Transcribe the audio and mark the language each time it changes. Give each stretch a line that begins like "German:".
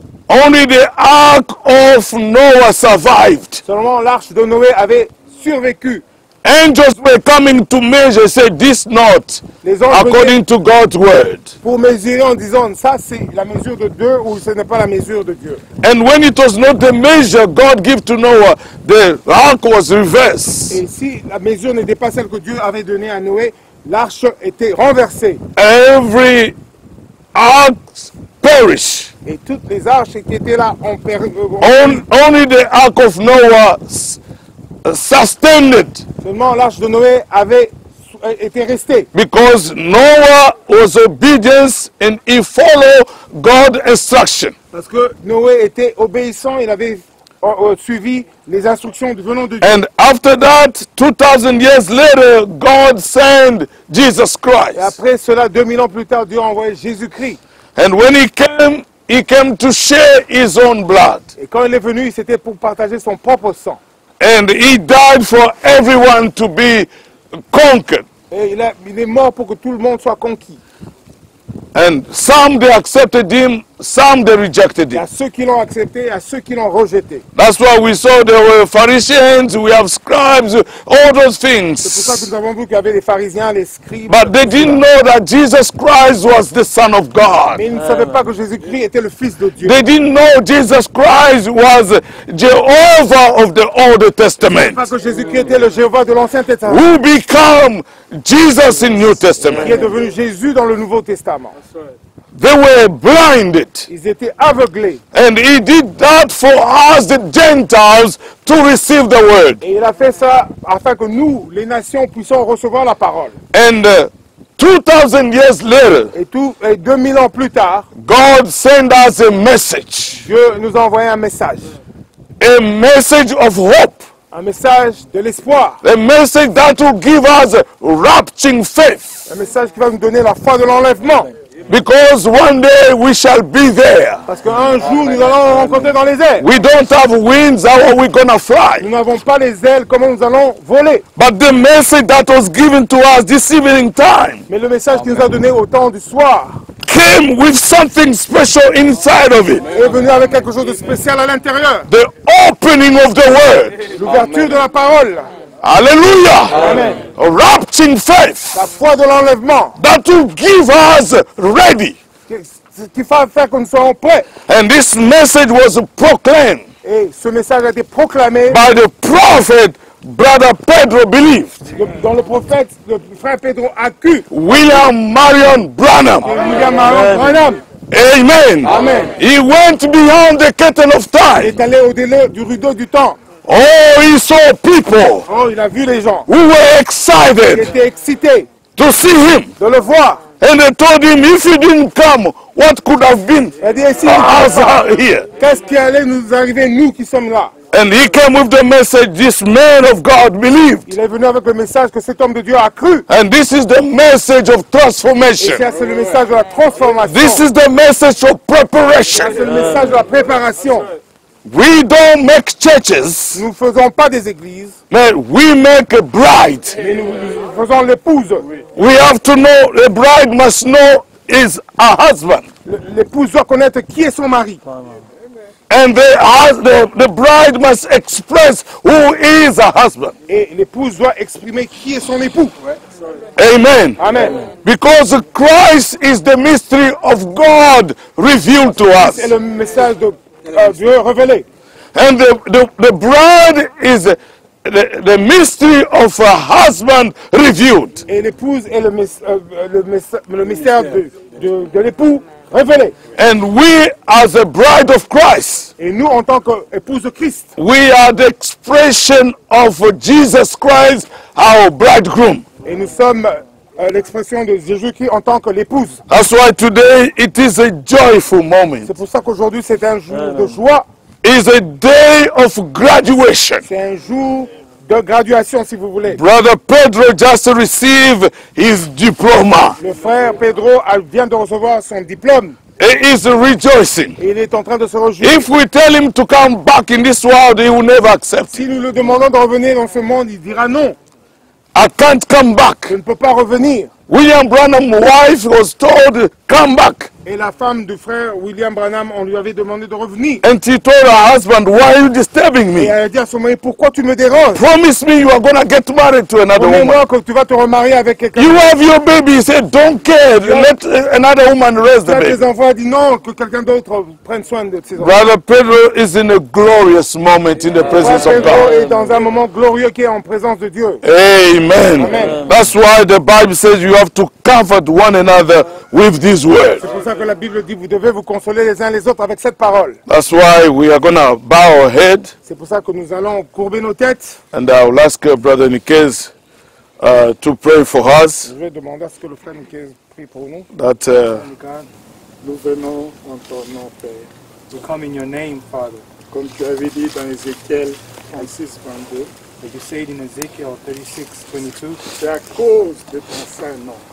English: Only the ark of Noah survived.
French: Seulement l'arche de Noé avait survécu.
English: Angels were coming to measure, say this knot, according to God's word.
French: Pour mesurer en disant ça c'est la mesure de Dieu ou ce n'est pas la mesure de Dieu.
English: And when it was not the measure God gave to Noah, the ark was reversed.
French: Et si la mesure n'était pas celle que Dieu avait donnée à Noé, l'arche était renversée.
English: Every ark perish.
French: Et toutes les arches qui étaient là ont péri.
English: Only the ark of Noah sustained it.
French: Seulement l'arche de Noé avait été restée.
English: Because Noah was obedient and he followed God's instruction.
French: Parce que Noé était obéissant, il avait suivi les instructions venant de Dieu.
English: And after that, 2000 years later, God sent Jesus Christ.
French: Et après cela, 2000 ans plus tard, Dieu a envoyé Jésus-Christ.
English: And when he came to share his own blood.
French: Et quand il est venu, c'était pour partager son propre sang.
English: And he died for everyone to be conquered.
French: Et il est mort pour que tout le monde soit conquis.
English: And some they accepted him, some they rejected him.
French: Il y a ceux qui l'ont accepté, il y a ceux qui l'ont rejeté.
English: That's why we saw there were Pharisees, we have scribes, all those things.
French: C'est pour ça que nous avons vu qu'il y avait les pharisiens, les scribes.
English: But they didn't know that Jesus Christ was the Son of God.
French: Mais ils ne savaient pas que Jésus-Christ était le Fils de Dieu.
English: They didn't know Jesus Christ was Jehovah of the Old Testament.
French: Parce que Jésus-Christ était le Jéhovah de l'Ancien Testament.
English: Who became Jesus in New Testament?
French: Qui est devenu Jésus dans le Nouveau Testament?
English: They were blinded.
French: Ils étaient aveuglés.
English: And he did that for us, the Gentiles, to receive the word.
French: Et il a fait ça afin que nous, les nations, puissions recevoir la parole.
English: And 2000 years later,
French: et 2000 ans plus tard,
English: God sent us a message.
French: Dieu nous a envoyé un message.
English: A message of hope.
French: Un message de l'espoir.
English: A message that will give us rapturing faith.
French: Un message qui va nous donner la foi de l'enlèvement.
English: Because one day we shall be there.
French: Parce qu'un jour nous allons rencontrer dans les airs.
English: We don't have wings, how are we gonna fly?
French: Nous n'avons pas les ailes, comment nous allons voler?
English: But the message that was given to us this evening time.
French: Mais le message qu'il nous a donné au temps du soir.
English: Came with something special inside of it.
French: Est venu avec quelque chose de spécial à l'intérieur.
English: The opening of the word.
French: L'ouverture de la parole. Alléluia. Amen.
English: Rapturing faith.
French: La foi de l'enlèvement.
English: That will give us ready.
French: Ce qui va faire que nous soyons prêts.
English: And this message was proclaimed.
French: Et ce message a été proclamé.
English: By the prophet, brother Pedro believed.
French: Dans le prophète, le frère Pedro a cru.
English: William Marion Branham.
French: William Marion Branham. Amen. Amen.
English: He went beyond the curtain of time.
French: Il est allé au-delà du rideau du temps.
English: Oh, he saw people.
French: Oh, il a vu les gens.
English: Who were excited.
French: Ils étaient excités.
English: To see him.
French: De le voir.
English: And they told him, if you didn't come, what could have been?
French: Il dit, si
English: us here.
French: Qu'est-ce qui allait nous arriver, nous qui sommes là?
English: And he came with the message, this man of God believed.
French: Il est venu avec le message que cet homme de Dieu a cru.
English: And this is the message of transformation.
French: Et c'est le message de la transformation.
English: This is the message of preparation.
French: C'est le message de la préparation.
English: We don't make churches.
French: Nous faisons pas des églises.
English: But we make a bride.
French: Mais nous faisons l'épouse.
English: We have to know, the bride must know is her husband.
French: L'épouse doit connaître qui est son mari.
English: And the bride must express who is her husband.
French: Et l'épouse doit exprimer qui est son époux. Amen. Amen.
English: Because Christ is the mystery of God revealed to us.
French: C'est le message de Dieu révélé.
English: And the bride is the mystery of a husband revealed.
French: Et l'épouse est le mystère de l'époux révélé.
English: And we as a bride of Christ.
French: Et nous en tant qu'épouse de Christ.
English: We are the expression of Jesus Christ, our bridegroom.
French: Et nous sommes l'expression de Jésus-Christ en tant que l'épouse.
English: That's why today it is a joyful moment.
French: C'est pour ça qu'aujourd'hui c'est un jour de joie.
English: It's a day of graduation.
French: C'est un jour de graduation si vous voulez.
English: Brother Pedro just received his diploma.
French: Le frère Pedro vient de recevoir son diplôme.
English: He is rejoicing.
French: Il est en train de se réjouir.
English: If we tell him to come back in this world, he will never accept.
French: Si nous le demandons de revenir dans ce monde, il dira non.
English: I can't come back.
French: Je ne peux pas revenir.
English: William Branham's wife was told, come back.
French: Et la femme du frère William Branham, on lui avait demandé de revenir.
English: And she told her husband, why are you disturbing me?
French: Et elle a dit à son mari, pourquoi tu me déranges?
English: Promise me you are going to get married to another woman.
French: Promets-moi que tu vas te remarier avec quelqu'un.
English: You have your baby, he said, don't care, let another woman raise the baby.
French: Tu as tes enfants, dit non, que quelqu'un d'autre prenne soin de ses enfants.
English: Brother Pedro is in a glorious moment in the presence of God.
French: Pedro est dans un moment glorieux qui est en présence de Dieu. Amen.
English: That's why the Bible says you have to comfort one another with this word.
French: C'est pour ça que la Bible dit vous devez vous consoler les uns les autres avec cette parole.
English: That's why we are going to bow our head.
French: C'est pour ça que nous allons courber nos têtes.
English: And I will ask Brother Nikes to pray for us.
French: Je vais demander à ce que le frère Nikes prie pour nous.
English: That
French: nous venons en ton nom, Père.
English: We come in your name, Father.
French: Comme tu avais dit dans Ézéchiel 36:22.
English: As you said in Ezekiel 36:22,
French: c'est à cause de ton saint nom.